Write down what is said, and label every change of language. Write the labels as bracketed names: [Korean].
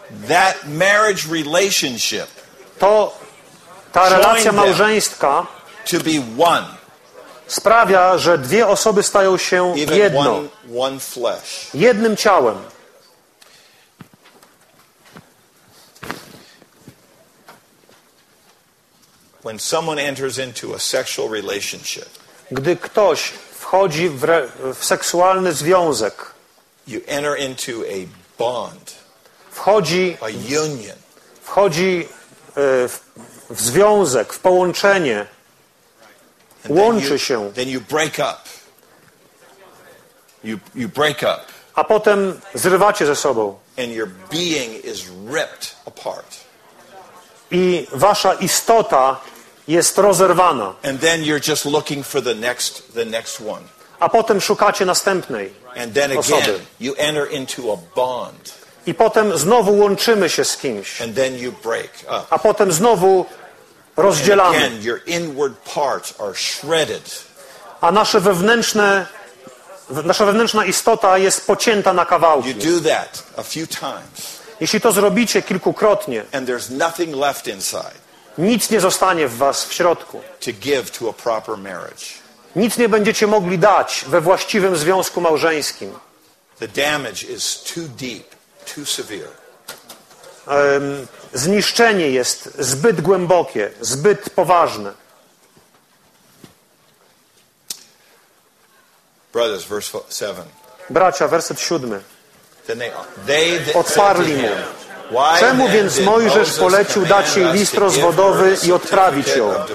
[English] That marriage relationship. [Polish] Ta relacja małżeńska [English] to be one. [Polish] Sprawia, że dwie osoby stają się jedno. [English] One flesh. [Polish] Jednym ciałem. [English] When someone enters into a sexual relationship, [Polish] gdy ktoś wchodzi w seksualny związek, [English] You enter into a bond. [Polish] Wchodzi, [English] a union. [Polish] Wchodzi w związek, w połączenie. [English] And [Polish] łączy [English] then you, [Polish] się. [English] Then you break up. You break up. [Polish] A potem zrywacie ze sobą. [English] And your being is ripped apart. [Polish] I wasza istota jest rozerwana. [English] And then you're just looking for the next one. [Polish] A potem szukacie następnej [English] and then [Polish] osoby. [English] Again, you enter into a bond. [Polish] I potem znowu łączymy się z kimś. [English] And then you break up. [Polish] A potem znowu rozdzielamy. [English] And again, your inward parts are shredded. [Polish] A nasze wewnętrzne nasza wewnętrzna istota jest pocięta na kawałki. [English] You do that a few times. [Polish] Jeśli to zrobicie kilkukrotnie, [English] and there's nothing left inside. [Polish] Nic nie zostanie w was w środku. [English] To give to a proper marriage. [Polish] Nic nie będziecie mogli dać we właściwym związku małżeńskim. [English] The damage is too deep, too severe. [Polish] Zniszczenie jest zbyt głębokie, zbyt poważne. [English] Brothers, verse 7. [Polish] Bracia, werset 7. [English] Then they [Polish] odparli mu. Czemu więc Mojżesz polecił dać jej list rozwodowy i odprawić ją?